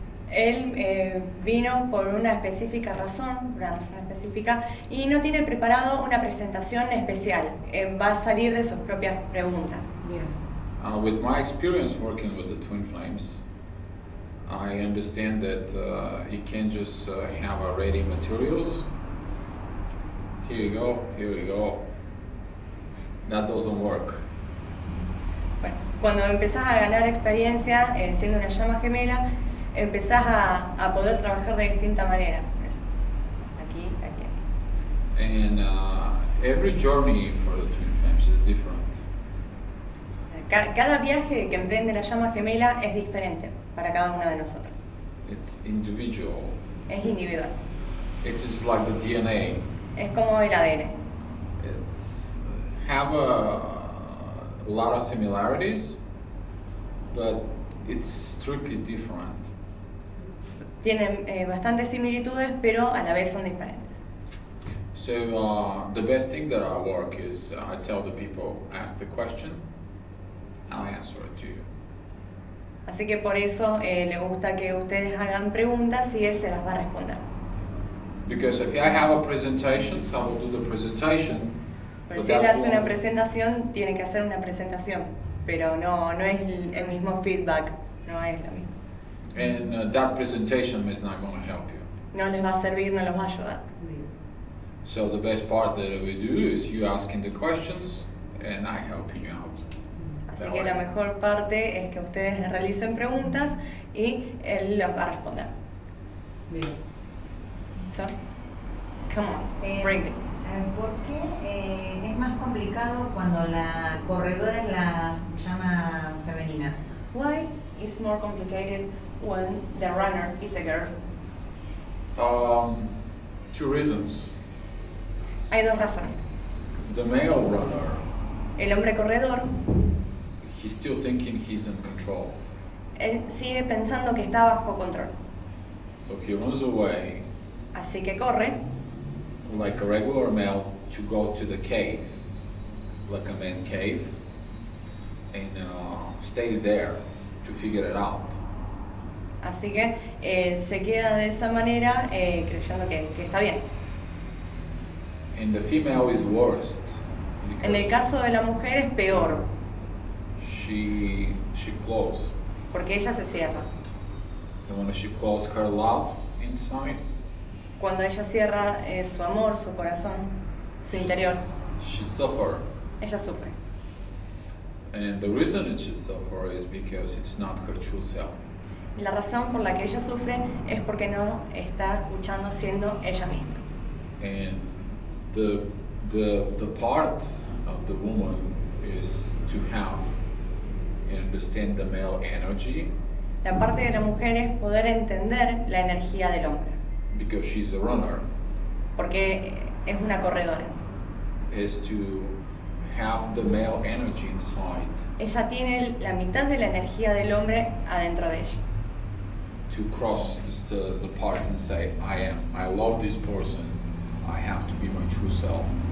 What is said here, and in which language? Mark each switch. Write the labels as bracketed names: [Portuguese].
[Spanish] Él vino por una específica razón, una razón específica, y no tiene preparado una presentación especial. Va a salir de sus propias preguntas. [English] Yeah. With my experience working with the Twin Flames, I understand that you can't just have a ready materials. Here you go, here you go. That doesn't work. [Spanish] Bueno, cuando empezás a ganar experiencia siendo una llama gemela, empezás a poder trabajar de distinta manera. Aquí, aquí, aquí. [English] And every journey for the Twin Flames is different. [Spanish] Cada viaje que emprende la llama gemela es diferente para cada una de nosotros. [English] It's individual. [Spanish] Es individual. [English] It's just like the DNA. [Spanish] Es como el ADN. [English] It's have a lot of similarities, but it's strictly different. [Spanish] Tienen bastantes similitudes, pero a la vez son diferentes. [English] So, the best thing that I work is I tell the people, ask the question, I answer it to you. [Spanish] Así que por eso le gusta que ustedes hagan preguntas y él se las va a responder. [English] Because if I have a presentation, so I will do the presentation. [Spanish] Pero si él hace una presentación, tiene que hacer una presentación. Pero no es el mismo feedback, no es lo mismo. [English] And that presentation is not going to help you. [Spanish] No les va a servir, no los va a ayudar. [English] So the best part that we do is you asking the questions and I helping you out. [Spanish] Así que la mejor parte es que ustedes realicen preguntas y él los va a responder. Bien. [English] So, come on, bring it. [Spanish] ¿Por qué es más complicado cuando la corredora es la llama femenina? [English] Why is more complicated when the runner is a girl? Two reasons. [Spanish] Hay dos razones. [English] The male runner. [Spanish] El hombre corredor. [English] He's still thinking he's in control. [Spanish] Él sigue pensando que está bajo control. [English] So he runs away. [Spanish] Así que corre. [English] Like a regular male to go to the cave, like a man cave, and stays there to figure it out. [Spanish] Así que se queda de esa manera creyendo que está bien. [English] And the female is worst. [Spanish] En el caso de la mujer es peor. [English] She closes. [Spanish] Porque ella se cierra. [English] And when she closes her love inside. [Spanish] Cuando ella cierra su amor, su corazón, su interior. [English] She suffers. [Spanish] Ella sufre. [English] And the reason that she suffers is because it's not her true self. [Spanish] La razón por la que ella sufre es porque no está escuchando siendo ella misma. [English] And the part of the woman is to have and understand the male energy. [Spanish] La parte de la mujer es poder entender la energía del hombre. [English] Because she's a runner. [Spanish] Porque es una corredora. [English] Is to have the male energy inside. [Spanish] Ella tiene la mitad de la energía del hombre adentro de ella. [English] To cross the part and say, I am, I love this person, I have to be my true self.